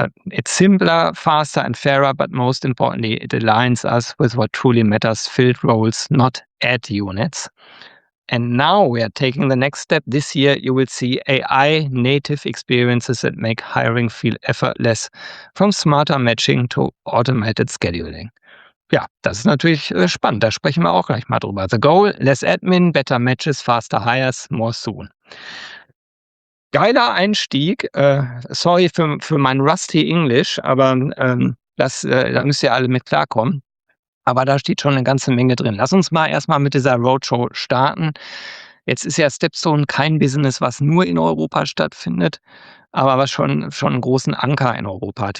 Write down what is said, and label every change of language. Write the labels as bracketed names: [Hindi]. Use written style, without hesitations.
[English] It's simpler, faster and fairer, but most importantly, it aligns us with what truly matters, filled roles, not ad units. And now we are taking the next step. This year, you will see AI native experiences that make hiring feel effortless, from smarter matching to automated scheduling. [German] Ja, das ist natürlich spannend. Da sprechen wir auch gleich mal drüber. [English] The goal, less admin, better matches, faster hires, more soon. [German] Geiler Einstieg, sorry für mein rusty English, aber da müsst ihr alle mit klarkommen, aber da steht schon eine ganze Menge drin. Lass uns mal erstmal mit dieser Roadshow starten. Jetzt ist ja Stepstone kein Business, was nur in Europa stattfindet, aber was schon einen großen Anker in Europa hat.